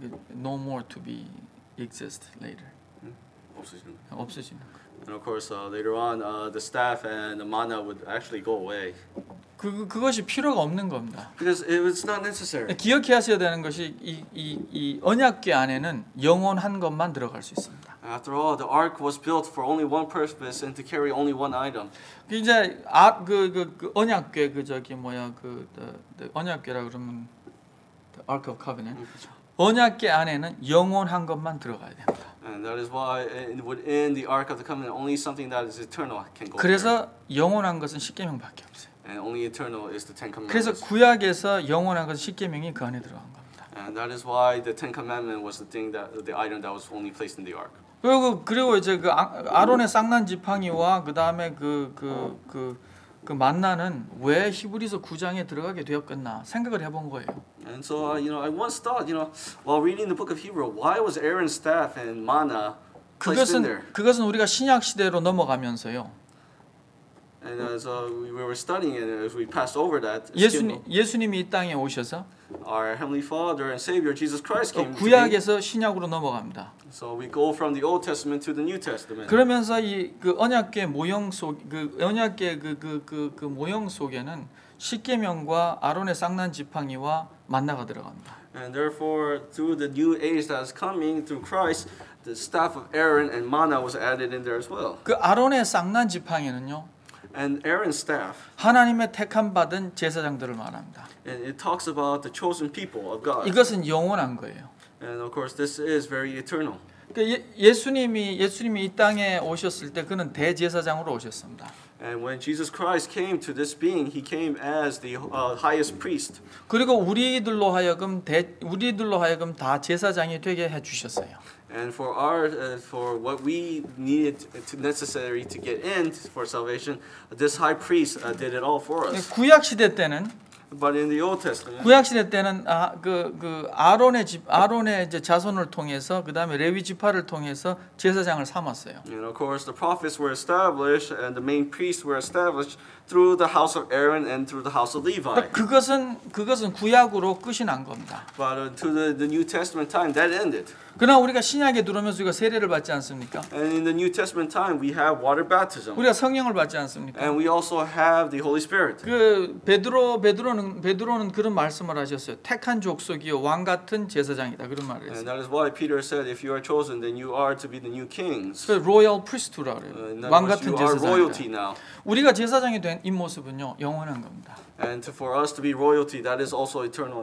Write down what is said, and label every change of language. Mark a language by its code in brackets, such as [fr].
[en] no more to be exist later. [ko] 없어지는. [en] And of course, later on, the staff and the manna would actually go away. [ko] 그것이 필요가 없는 겁니다. [en] Because it's not necessary. [ko] 기억해야 되는 것이 이 언약궤 안에는 영원한 것만 들어갈 수 있습니다. [en] After all, the ark was built for only one purpose and to carry only one item. [ko] 이제 그 언약궤 그 저기 뭐야 그 the 언약궤라 그러면 [en] the ark of covenant. [ko] 언약궤 안에는 영원한 것만 들어가야 됩니다. [en] And that is why within the ark of the covenant, only something that is eternal can go. [ko] 그래서 [en] there. [ko] 영원한 것은 십계명밖에 없어요. [en] And only eternal is the Ten Commandments. [ko] 그래서 구약에서 영원한 것은 십계명이 그 안에 들어간 겁니다. [en] And that is why the Ten Commandments was the thing that the item that was only placed in the ark. [ko] 그리고 이제 그 아론의 쌍난 지팡이와 그다음에 그 만나는 왜 히브리서 9장에 들어가게 되었겠나 생각을 해본 거예요. [en] And so you know, I once thought, you know, while reading the book of Hebrew, why was Aaron's staff and manna placed in there? [ko] 그것은 우리가 신약 시대로 넘어가면서요. [en] And as we were studying it, as we passed over that, [ko] 예수님이 이 땅에 오셔서 [en] our heavenly Father and Savior Jesus Christ came. [ko] 구약에서 신약으로 넘어갑니다. [en] So we go from the Old Testament to the New Testament. [ko] 그러면서 이 그 언약궤 모형 속 그 언약궤 그 모형 속에는 십계명과 아론의 쌍난 지팡이와 만나가 들어갑니다. [en] And therefore, through the new age that is coming through Christ, the staff of Aaron and manna was added in there as well. [ko] 그 아론의 쌍난 지팡이는요. [en] And Aaron's staff. [ko] 하나님의 택함 받은 제사장들을 말합니다. [en] And it talks about the chosen people of God. [ko] 이것은 영원한 거예요. [en] And of course, this is very eternal. [ko] 예수님이 이 땅에 오셨을 때 그는 대제사장으로 오셨습니다. [en] And when Jesus Christ came to this being, he came as the highest priest. [ko] 그리고 우리들로 하여금 다 제사장이 되게 해 주셨어요. [en] And for our for what we needed to necessary to get in for salvation, this high priest did it all for us. [ko] 구약 시대 때는 [en] But in the Old Testament, [ko] 구약 시대 때는 그 아론의 이제 자손을 통해서 그다음에 레위 지파를 통해서 제사장을 삼았어요. [en] And of course, the prophets were established and the main priests were established through the house of Aaron and through the house of Levi. [ko] 그것은 구약으로 끝이 난 겁니다. [en] But to the New Testament time, that ended. [ko] 그러나 우리가 신약에 들어오면서 우리가 세례를 받지 않습니까? [en] And in the New Testament time, we have water baptism. [ko] 우리가 성령을 받지 않습니까? [en] And we also have the Holy Spirit. [ko] 그 베드로는 그런 말씀을 하셨어요. 택한 족속이요, 왕 같은 제사장이다. 그런 말을 했어요. [en] And that is why Peter said, if you are chosen, then you are to be the new kings. [ko] 그 [en] royal priesthood [ko] 라고 해요. 왕 같은 제사장. [en] You are royalty now. [ko] 우리가 제사장이 된 이 모습은요, 영원한 겁니다. [en] And for us to be royalty, that is also eternal.